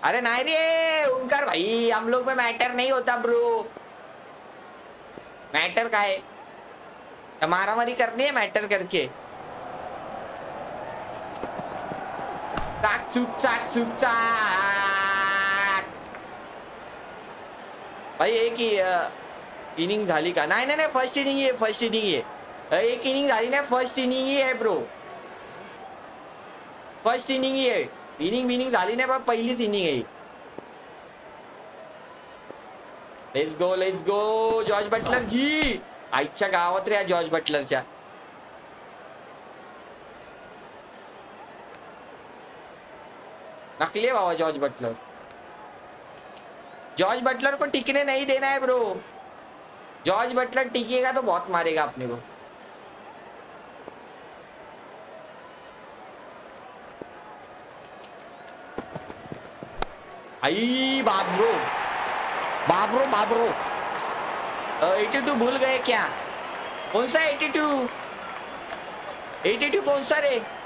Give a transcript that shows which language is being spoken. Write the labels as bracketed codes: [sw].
[mr] अरे नाही रे [hi] ओंकार भाई हम लोग में मैटर नहीं होता ब्रो. [mr] मैटर काय [hi] मारामारी करनी है [mr] मैटर करके चाक चुक चाक चुक चाक भाई एक ही इनिंग झाली का नाही नाही फर्स्ट इनिंग आहे फर्स्ट इनिंग आहे एक इनिंग झाली नाही फर्स्ट इनिंग आहे ब्रो फर्स्ट इनिंग आहे इनिंग विनिंग झाली नाही पण पहिलीच इनिंग आहे. [en] let's go let's go [mr] George Butler जी आईच्या गावात रे जॉर्ज बटलरच्या नकली बाबा जॉर्ज बटलर. [hi] जॉर्ज बटलर को टिकने नहीं देना है ब्रो. जॉर्ज बटलर टिकेगा तो बहुत मारेगा अपने को. आई बाबरो बाबरो बाबरो 82 भूल गए क्या कौन सा 82 कौन सा रे